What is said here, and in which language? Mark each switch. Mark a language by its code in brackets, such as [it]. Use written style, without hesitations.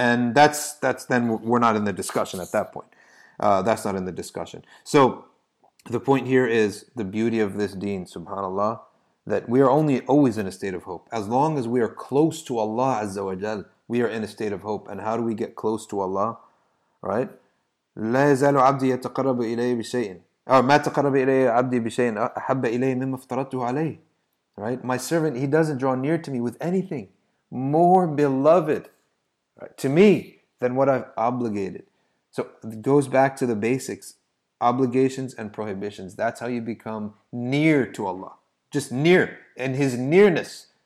[en] And that's then we're not in the discussion at that point. That's not in the discussion. So the point here is the beauty of this deen, subhanAllah, that we are only always in a state of hope. As long as we are close to Allah Azza wa Jal, we are in a state of hope. And how do we get close to Allah, right? [ar] لا يزال عبدي يتقرب إلي بشيء أو ما تقرب إلي عبدي بشيء أحب إلي مما افترضته عليه. [en] Right, my servant, he doesn't draw near to me with anything more beloved to me than what I've obligated. So it goes back to the basics, obligations and prohibitions. That's how you become near to Allah, just near in His nearness.